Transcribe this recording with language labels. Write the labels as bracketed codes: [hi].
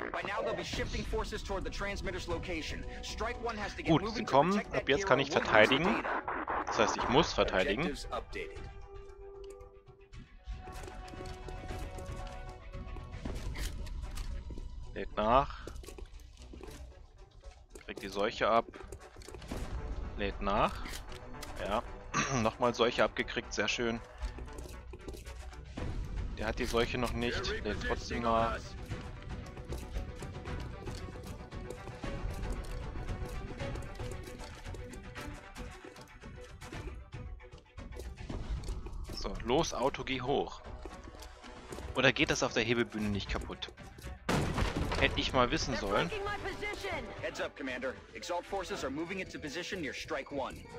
[en] By now they'll be shifting forces toward the transmitter's location. Strike One has to get moving. [de] Gut, sie kommen. Ab jetzt kann ich verteidigen. Das heißt, ich muss verteidigen. Lädt nach. Kriegt die Seuche ab. Lädt nach. Ja. Nochmal Seuche abgekriegt. Sehr schön. Der hat die Seuche noch nicht. Lädt trotzdem nach. So. Los, Auto, geh hoch. Oder geht das auf der Hebebühne nicht kaputt? Hätte ich mal wissen sollen. [en] Heads up, Commander. Exalt forces are moving into position near Strike One.